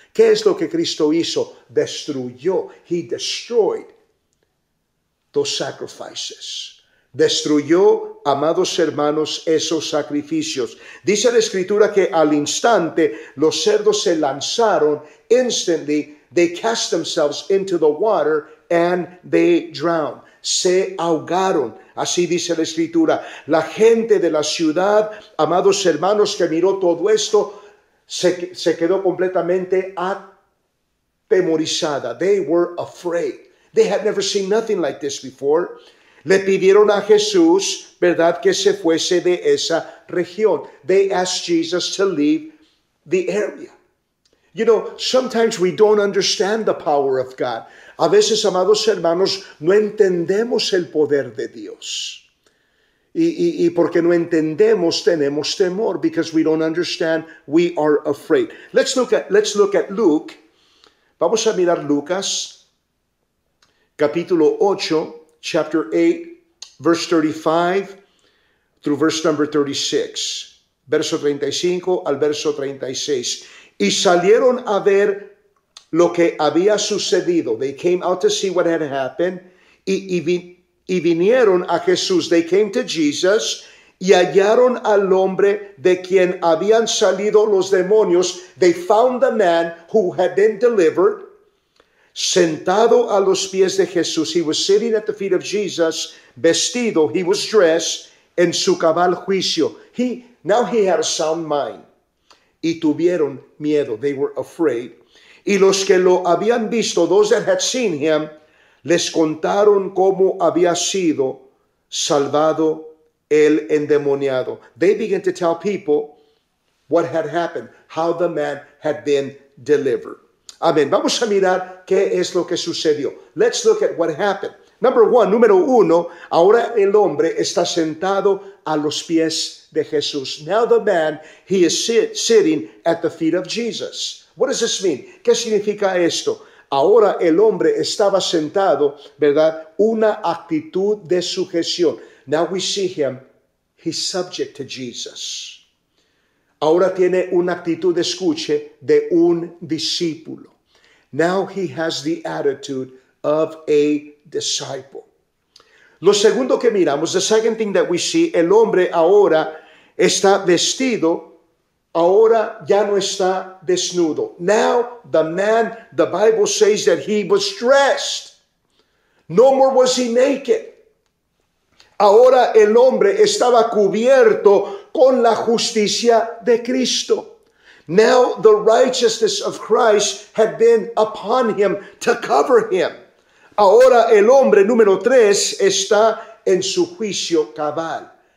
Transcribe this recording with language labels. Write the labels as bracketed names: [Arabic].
[Spanish] ¿Qué es lo que Cristo hizo? Destruyó. [English] He destroyed those sacrifices. [Spanish] Destruyó, amados hermanos, esos sacrificios. Dice la Escritura que al instante los cerdos se lanzaron. [English] Instantly, they cast themselves into the water and they drowned. [Spanish] Se ahogaron. Así dice la Escritura. La gente de la ciudad, amados hermanos, que miró todo esto, se quedó completamente atemorizada. [English] They were afraid. They had never seen nothing like this before. [Spanish] Le pidieron a Jesús, ¿verdad?, que se fuese de esa región. [English] They asked Jesus to leave the area. You know, sometimes we don't understand the power of God. [Spanish] A veces, amados hermanos, no entendemos el poder de Dios. Y porque no entendemos, tenemos temor. [English] Because we don't understand, we are afraid. Let's look at Luke. [Spanish] Vamos a mirar Lucas, capítulo 8. [English] Chapter 8, verse 35 through verse number 36. [Spanish] Verso 35 al verso 36. Y salieron a ver lo que había sucedido. [English] They came out to see what had happened. [Spanish] Y vinieron a Jesús. [English] They came to Jesus. [Spanish] Y hallaron al hombre de quien habían salido los demonios. [English] They found the man who had been delivered. [Spanish] Sentado a los pies de Jesús, [English] he was sitting at the feet of Jesus, [Spanish] vestido, [English] he was dressed, [Spanish] en su cabal juicio. [English] Now he had a sound mind. [Spanish] Y tuvieron miedo, [English] they were afraid. [Spanish] Y los que lo habían visto, [English] those that had seen him, [Spanish] les contaron cómo había sido salvado el endemoniado. [English] They began to tell people what had happened, how the man had been delivered. [Spanish] Amén. Vamos a mirar qué es lo que sucedió. [English] Let's look at what happened. [Spanish] Número uno, ahora el hombre está sentado a los pies de Jesús. [English] Now the man, he is sitting at the feet of Jesus. What does this mean? [Spanish] ¿Qué significa esto? Ahora el hombre estaba sentado, ¿verdad? Una actitud de sujeción. [English] Now we see him, he's subject to Jesus. [Spanish] Ahora tiene una actitud, escuche, de un discípulo. [English] Now he has the attitude of a disciple. [Spanish] Lo segundo que miramos, [English] the second thing that we see, [Spanish] el hombre ahora está vestido, ahora ya no está desnudo. [English] Now the man, the Bible says that he was dressed. No more was he naked. [Spanish] Ahora el hombre estaba cubierto con la justicia de Cristo. [English] Now the righteousness of Christ had been upon him to cover him. [Spanish] Ahora el hombre, número tres, está en su juicio cabal.